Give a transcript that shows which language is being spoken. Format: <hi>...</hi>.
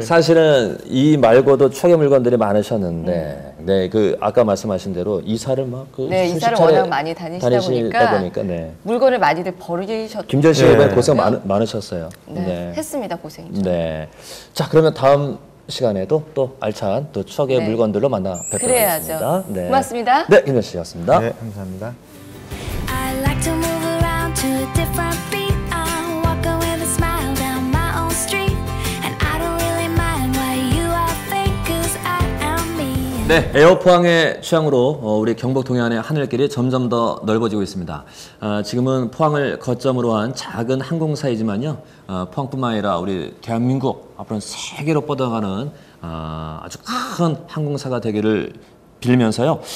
<ko>사실은 이 말고도 추억의 물건들이 많으셨는데 네, 그 아까 말씀하신 대로 이사를 막 그 네, 이사를 워낙 많이 다니시다 보니까 네. 물건을 많이들 버리셨죠. 김전 씨 이번에 네. 고생 많으셨어요. 네, 네. 했습니다 고생. 좀. 네. 자 그러면 다음 시간에도 또 알찬 또 추억의 네. 물건들로 만나 뵙도록 하겠습니다. 네. 고맙습니다. 네, 김전 씨였습니다. 네, 감사합니다.</ko> <en>I like to move around to a different beat. I'm walking with a smile down my own street. And I don't really mind why you all think, cause I am me.</en> <ko>네, 에어포항의 취향으로 우리 경북 동해안의 하늘길이 점점 더 넓어지고 있습니다. 지금은 포항을 거점으로 한 작은 항공사이지만요. 포항뿐만 아니라 우리 대한민국 앞으로는 세계로 뻗어가는 아주 큰 항공사가 되기를 빌면서요.</ko>